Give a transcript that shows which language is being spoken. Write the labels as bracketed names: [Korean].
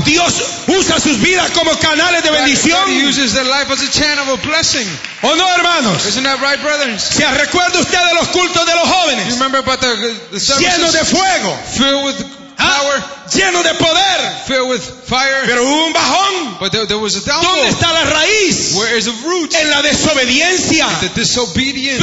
[Spanish] Dios usa sus vidas como canales de bendición. [English] God uses their life as a channel of a blessing. [Spanish] ¿O no, hermanos? [English] Isn't that right, brother? [Spanish] ¿Se recuerda usted de los cultos de los jóvenes? [English] You remember about the services? [Spanish] Lleno de fuego. [English] Filled with power. [Spanish] Lleno de poder. [English] Filled with fire. [Spanish] Pero hubo un bajón. [English] But there was a downfall. [Spanish] ¿Dónde está la raíz? [English] Where is the root? [Spanish] En la desobediencia. [English] In the disobedience.